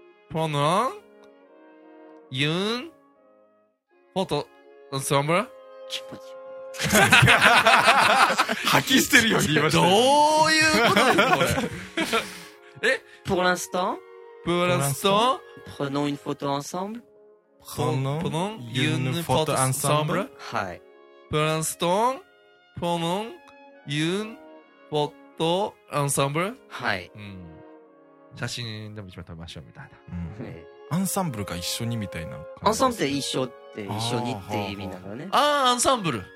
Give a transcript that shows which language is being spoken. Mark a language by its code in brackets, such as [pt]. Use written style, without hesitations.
[fr] Prenons une photo ensemble. チポチポ。 [ja] 吐き捨てるように言いました。どういうことだよ、これ。 [fr] Pour l'instant. Prenons une photo ensemble. Prenons une photo ensemble. [ja] はい。 [fr] Pour l'instant. Prenons une photo ensemble. [ja] はい。写真でも一枚撮りましょうみたいな、うん、アンサンブルが一緒にみたいな、ね、アンサンブルって一緒って一緒にって意味なのね。あーはーはー、あー、アンサンブル、